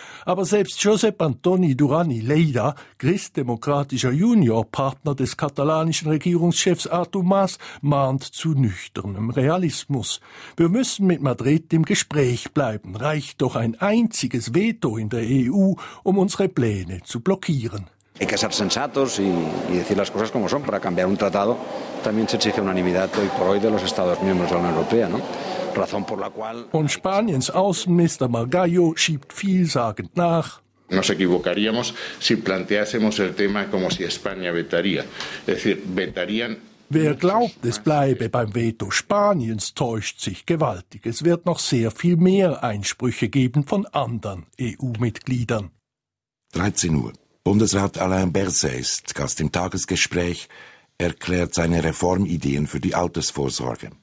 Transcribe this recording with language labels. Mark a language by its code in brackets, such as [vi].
[de] Aber selbst Josep Antoni Duran i Lleida, christdemokratischer Juniorpartner des katalanischen Regierungschefs Artur Mas, mahnt zu nüchternem Realismus. Wir müssen mit Madrid im Gespräch bleiben. Reicht doch ein einziges Veto in der EU, um unsere Pläne zu blockieren. [es] Hay que ser sensatos y decir las cosas como son. Para cambiar un tratado también se exige unanimidad hoy por hoy de los Estados miembros de la Unión Europea, ¿no? Razón por la cual. [de] Und Spaniens Außenminister Margallo schiebt vielsagend nach. [es] Nos equivocaríamos si planteásemos el tema como si España vetaría. Es decir, vetarían. [de] Wer glaubt, es bleibe beim Veto Spaniens, täuscht sich gewaltig. Es wird noch sehr viel mehr Einsprüche geben von anderen EU-Mitgliedern. 13 Uhr. Bundesrat Alain Berset ist Gast im Tagesgespräch, erklärt seine Reformideen für die Altersvorsorge.